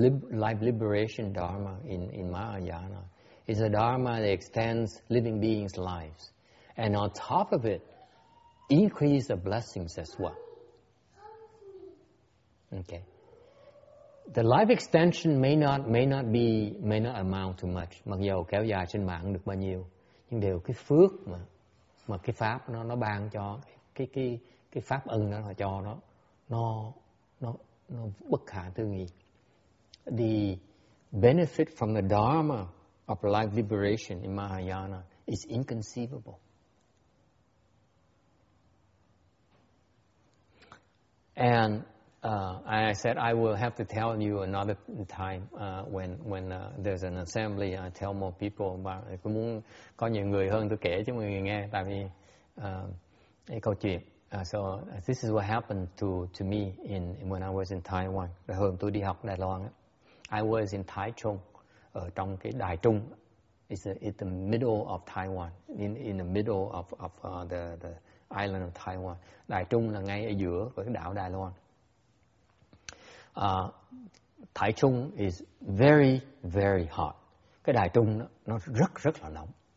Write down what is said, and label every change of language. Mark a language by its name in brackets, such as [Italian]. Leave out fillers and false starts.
[English] Life liberation dharma in Mahayana is a dharma that extends living beings' lives, and on top of it, increase the blessings as well. Okay. The life extension may not amount to much. [Vietnamese] Mặc dù kéo dài trên mạng được bao nhiêu, nhưng đều cái phước mà cái pháp nó ban cho cái pháp ân nó cho nó. Nó nó bất khả tư nghi. [English] The benefit from the Dharma of life liberation in Mahayana is inconceivable. And I said I will have to tell you another time when there's an assembly. I tell more people, but I [Vietnamese] cũng muốn có nhiều người hơn tôi kể cho mọi người nghe, tại vì cái câu chuyện. [English] So this is what happened to me in when I was in Taiwan. [Vietnamese] Hôm tôi đi học Đài Loan, [English] I was in Taichung, [Vietnamese] ở trong cái Đài Trung. [English] It's the middle of Taiwan, in the middle of the island of Taiwan. [Vietnamese] Đài Trung là ngay ở giữa của cái đảo Đài Loan. [English] Taichung is very very hot. [Vietnamese] Cái Đài Trung nó rất rất là nóng.